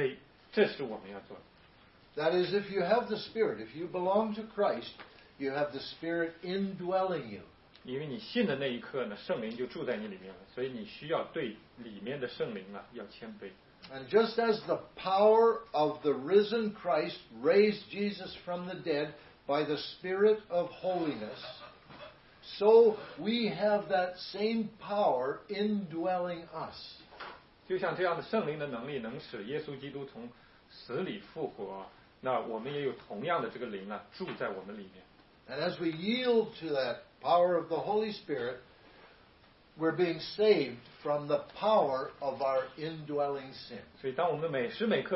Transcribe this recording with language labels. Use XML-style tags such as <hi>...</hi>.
<zh>所以基督徒要做的，其实只是向里面已经有的那个圣灵呢谦卑，这是我们要做的。That</zh> <en>is, if you have the Spirit, if you belong to Christ, you have the Spirit indwelling you.</en> <zh>因为你信的那一刻呢，圣灵就住在你里面了，所以你需要对里面的圣灵啊要谦卑。</zh> <en>And just as the power of the risen Christ raised Jesus from the dead by the Spirit of holiness, so we have that same power indwelling us.</en> <zh>就像这样的圣灵的能力能使耶稣基督从死里复活，那我们也有同样的这个灵啊住在我们里面。</zh> <en>And as we yield to that power of the Holy Spirit, we're being saved from the power of our indwelling sin.</en>